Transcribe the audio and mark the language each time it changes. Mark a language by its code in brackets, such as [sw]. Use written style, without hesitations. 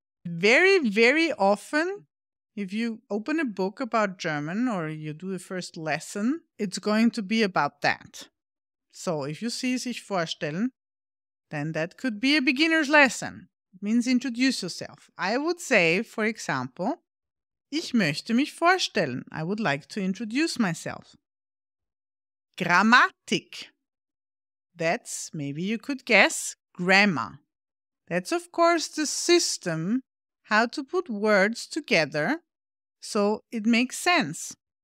[en] Very, very often, if you open a book about German or you do the first lesson, it's going to be about that. So if you see sich vorstellen, then that could be a beginner's lesson. It means introduce yourself. I would say, for example, [de] ich möchte mich vorstellen. [en] I would like to introduce myself. Grammatik. That's, maybe you could guess, grammar. That's, of course, the system how to put words together so it makes sense.